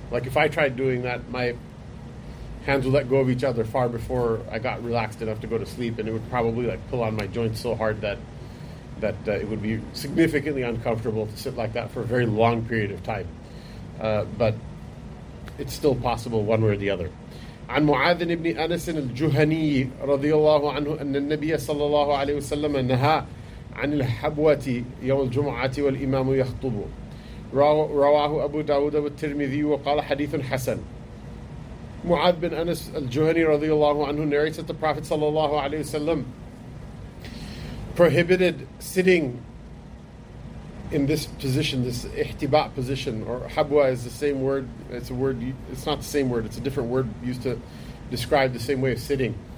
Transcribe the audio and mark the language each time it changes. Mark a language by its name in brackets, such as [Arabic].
[English] Like if I tried doing that, my hands would let go of each other far before I got relaxed enough to go to sleep, and it would probably like pull on my joints so hard that it would be significantly uncomfortable to sit like that for a very long period of time. But it's still possible one way or the other. [Arabic] عن معاذ بن أنس الجهني رضي الله عنه أن النبي صلى الله عليه وسلم نهى عن الحبوة يوم الجمعة والإمام يخطب. رواه أبو داود والترمذي وقال حديث حسن. [English] معاذ بن أنس الجهني رضي الله عنه narrates that the Prophet صلى الله عليه وسلم prohibited sitting in this position, this ihtiba position, or habwa is the same word. It's a word, it's not the same word, it's a different word used to describe the same way of sitting.